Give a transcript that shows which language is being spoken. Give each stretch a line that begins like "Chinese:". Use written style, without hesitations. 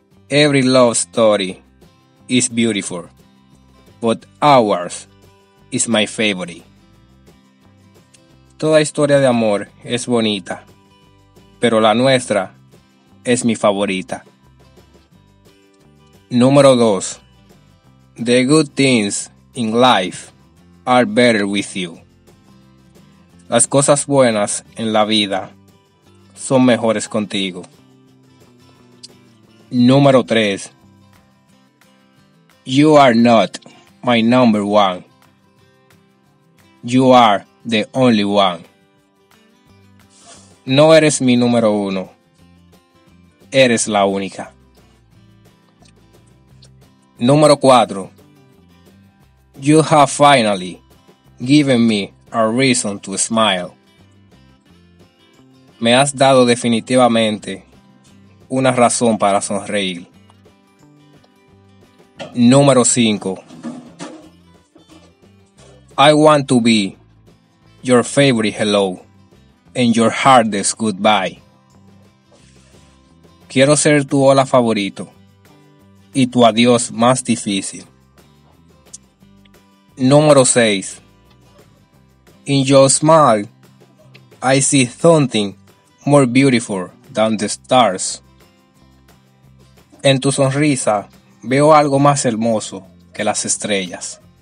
English: Every love story is beautiful, but ours is my favorite.
Spanish: Toda historia de amor es bonita, pero la nuestra es mi favorita. Número 2.
English: The good things in life are better with you.
Spanish: Las cosas buenas en la vida son mejores contigo. Número 3.
English: You are not my number one. You are the only one.
Spanish: No eres mi número uno. Eres la única. Número 4.
English: You have finally giving me a reason to smile.
Spanish: Me has dado definitivamente una razón para sonreír. Número 5.
English: I want to be your favorite hello and your hardest goodbye.
Spanish: Quiero ser tu hola favorito y tu adiós más difícil. Número 6.
English: In your smile, I see something more beautiful than the stars.
Spanish: En tu sonrisa, veo algo más hermoso que las estrellas.